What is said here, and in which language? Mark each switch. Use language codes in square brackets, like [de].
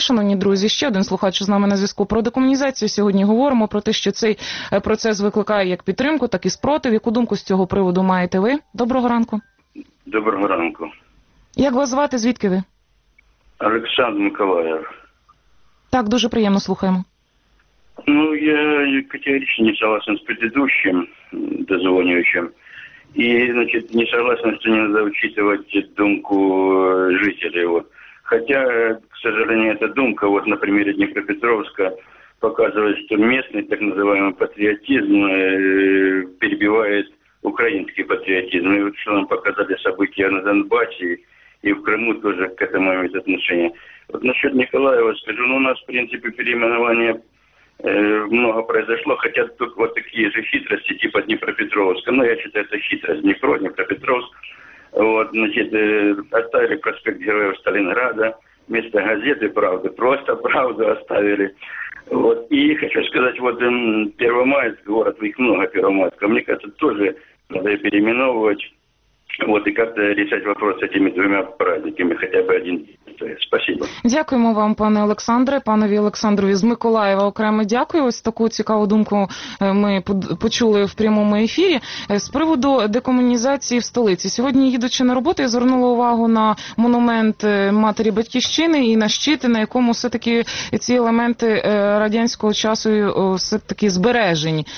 [uk] Шановні друзі, ще один слухач з нами на зв'язку. Про декомунізацію сьогодні говоримо, про те, що цей процес викликає як підтримку, так і спротив. Яку думку з цього приводу маєте ви? Доброго ранку. Доброго ранку. Як вас звати? Звідки ви? Олександр Миколаєв. Так, дуже приємно, слухаємо. [ru] Ну, я категорично не согласен з предыдущим дозвонюючим. [uk] І, значить, [ru] не согласен, [uk] що не треба учитувати думку жителів. Вот. Хоча, [ru] к сожалению, [uk] ця думка, вот, на примірі Дніпропетровська, показує, що місцевий так називаємо патріотизм перебиває український патріотизм. І от що нам показали события на Донбасі, і в Криму теж [ru] к этому имеет отношение. Вот насчет Николаева скажу, ну, у нас, в принципе, переименование много произошло, хотя тут вот такие же хитрости, типа Днепропетровска, но я считаю, это хитрость, Днепро, Днепропетровск. Вот, значит, оставили проспект Героев Сталинграда, вместо газеты «Правды», просто «Правду» оставили. Вот, и хочу сказать, вот Первомайск, город, их много, Первомайска, мне кажется, тоже надо переименовывать. Вот, и как-то решать вопрос с этими двумя праздниками, хотя бы один день. Спасибо. [uk] Дякуємо вам, пане Олександре, панові Олександрові з Миколаєва окремо дякую. Ось таку цікаву думку ми почули в прямому ефірі. З приводу декомунізації в столиці. Сьогодні, їдучи на роботу, я звернула увагу на монумент матері батьківщини і на щит, на якому все-таки ці елементи радянського часу все-таки збережені.